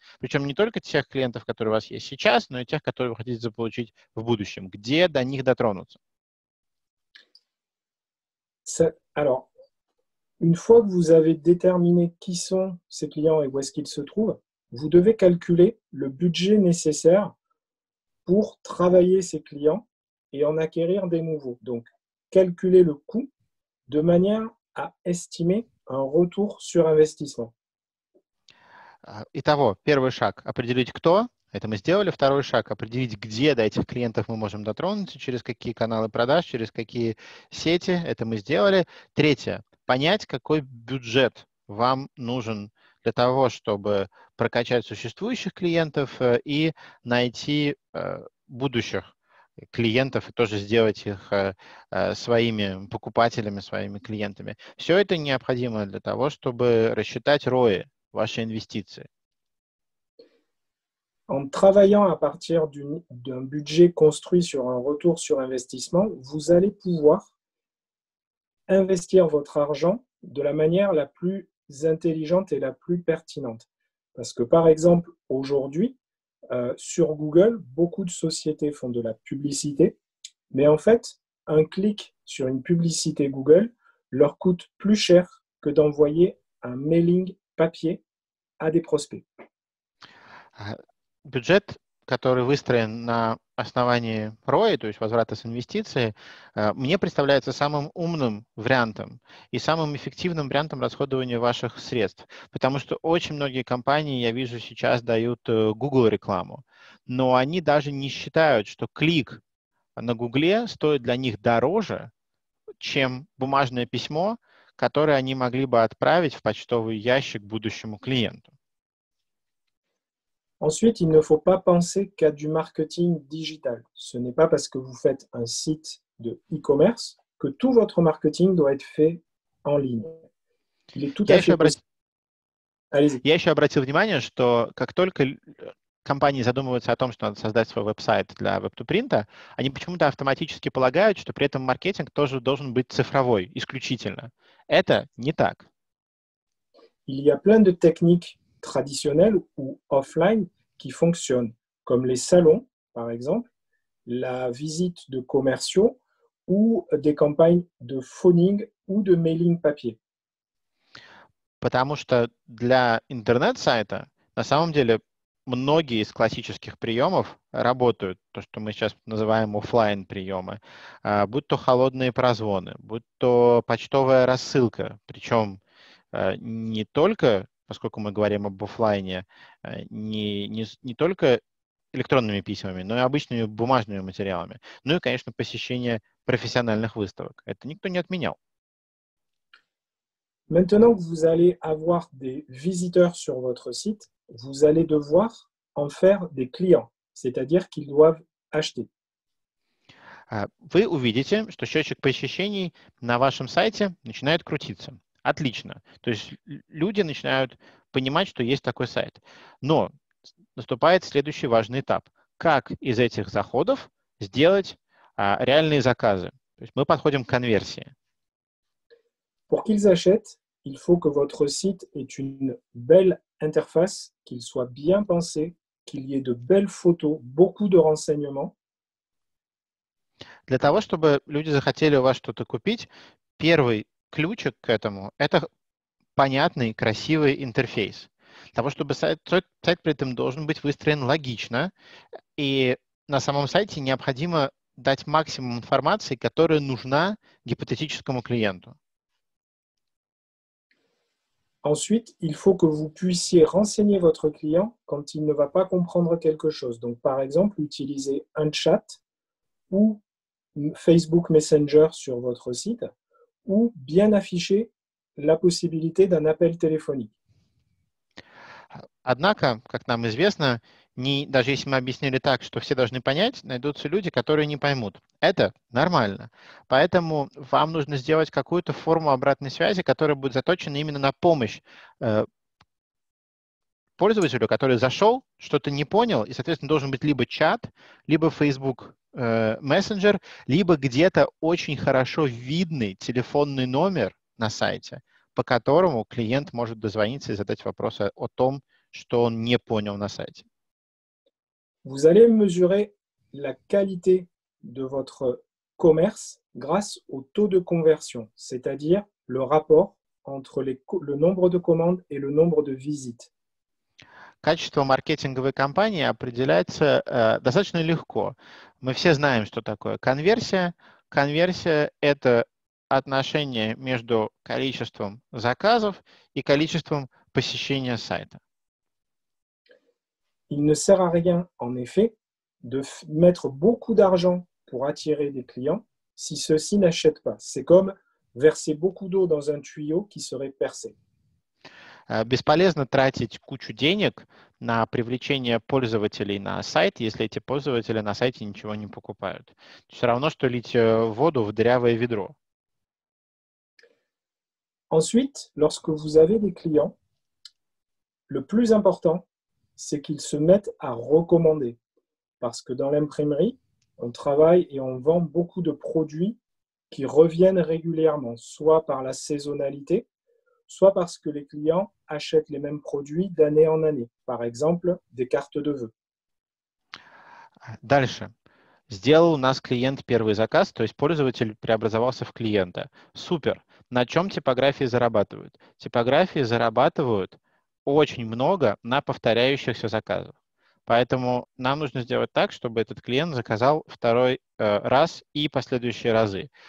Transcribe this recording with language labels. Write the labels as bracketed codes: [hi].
[ru] Причем не только тех клиентов, которые у вас есть сейчас, но и тех, которые вы хотите заполучить в будущем. Где до них дотронуться? [fr] Alors, une fois que vous avez déterminé qui sont ces clients et où est-ce qu'ils se trouvent, vous devez calculer le budget nécessaire pour travailler ces clients et en acquérir des nouveaux. Donc, calculer le coût de manière à estimer un retour sur investissement. [ru] Итого, первый шаг – определить, кто. Это мы сделали. Второй шаг – определить, где до этих клиентов мы можем дотронуться, через какие каналы продаж, через какие сети. Это мы сделали. Третье – понять, какой бюджет вам нужен для того, чтобы прокачать существующих клиентов и найти будущих клиентов и тоже сделать их своими покупателями, своими клиентами. Все это необходимо для того, чтобы рассчитать ROI, ваши инвестиции. [fr] En travaillant à partir d'un budget construit sur un retour sur investissement, vous allez pouvoir investir votre argent de la manière la plus intelligente et la plus pertinente. Parce que, par exemple, aujourd'hui, sur Google, beaucoup de sociétés font de la publicité, mais en fait, un clic sur une publicité Google leur coûte plus cher que d'envoyer un mailing papier à des prospects. [ru] Бюджет, который выстроен на основании ROI, то есть возврата с инвестиций, мне представляется самым умным вариантом и самым эффективным вариантом расходования ваших средств. Потому что очень многие компании, я вижу, сейчас дают Google рекламу. Но они даже не считают, что клик на Google стоит для них дороже, чем бумажное письмо, которое они могли бы отправить в почтовый ящик будущему клиенту. [fr] Ensuite, il ne faut pas penser qu'à du marketing digital. Ce n'est pas parce que vous faites un site de e-commerce que tout votre marketing doit être fait en ligne. Il est tout à fait possible. [ru] Я еще обратил внимание, что как только компании задумываются о том, что надо создать свой веб-сайт для Web2Print, они почему-то автоматически полагают, что при этом маркетинг тоже должен быть цифровой, исключительно. Это не так. [fr] Il y a plein de techniques traditionnels ou offline qui fonctionnent, comme les salons, par exemple, la visite de commerciaux ou des campagnes de phoning ou de mailing papier. [ru] Потому что для интернет-сайта на самом деле многие из классических приемов работают, то, что мы сейчас называем офлайн-приемы, будь то холодные прозвоны, будь то почтовая рассылка, причем не только поскольку мы говорим об офлайне, не только электронными письмами, но и обычными бумажными материалами. Ну и, конечно, посещение профессиональных выставок. Это никто не отменял. [fr] Maintenant que vous allez avoir des visiteurs sur votre site, vous allez devoir en faire des clients, c'est-à-dire qu'ils doivent acheter. [ru] Вы увидите, что счетчик посещений на вашем сайте начинает крутиться. Отлично. То есть люди начинают понимать, что есть такой сайт. Но наступает следующий важный этап. Как из этих заходов сделать реальные заказы? То есть мы подходим к конверсии. [fr] Pour qu'ils achètent, il faut que votre site ait une belle interface, qu'il soit bien pensé, qu'il y ait de belles photos, beaucoup de renseignements. [ru] Для того, чтобы люди захотели у вас что-то купить, первый ключик к этому – это понятный, красивый интерфейс. Для того, чтобы сайт при этом должен быть выстроен логично, и на самом сайте необходимо дать максимум информации, которая нужна гипотетическому клиенту. [fr] Ensuite, il faut que vous puissiez renseigner votre client quand il ne va pas comprendre quelque chose. Donc, par exemple, utiliser un chat ou Facebook Messenger sur votre site ou bien afficher la possibilité d'un appel téléphonique. [ru] Однако, как нам известно, даже если мы объяснили так, что все должны понять, найдутся люди, которые не поймут. Это нормально. Поэтому вам нужно сделать какую-то форму обратной связи, которая будет заточена именно на помощь пользователю, который зашел, что-то не понял, и, соответственно, должен быть либо чат, либо Facebook Messenger, либо где-то очень хорошо видный телефонный номер на сайте, по которому клиент может дозвониться и задать вопросы о том, что он не понял на сайте. [fr] Vous allez mesurer la qualité de votre commerce grâce au taux de conversion, c'est-à-dire le rapport entre le nombre de commandes et le nombre de visites. [ru] Качество маркетинговой кампании определяется достаточно легко. Мы все знаем, что такое конверсия. Конверсия – это отношение между количеством заказов и количеством посещения сайта. [fr] Il ne sert à rien, en effet, de mettre beaucoup d'argent pour attirer des clients si ceux-ci n'achètent pas. C'est comme verser beaucoup d'eau dans un tuyau qui serait percé. [ru] Бесполезно тратить кучу денег на привлечение пользователей на сайт, если эти пользователи на сайте ничего не покупают. Все равно, что лить воду в дырявое ведро. [fr] Ensuite, lorsque vous avez des clients, le plus important, c'est qu'ils se mettent à recommander. Parce que dans l'imprimerie, on travaille et on vend beaucoup de produits qui reviennent régulièrement, soit par la saisonnalité, soit parce que les clients achètent les mêmes produits d'année en année. Par exemple, des cartes de vœux. [ru] Дальше. Сделал у нас клиент первый заказ, то есть пользователь преобразовался в клиента. Супер. На чем типографии зарабатывают? Типографии зарабатывают очень много на повторяющихся заказах. Поэтому нам нужно сделать так, чтобы этот клиент заказал второй раз и последующие разы.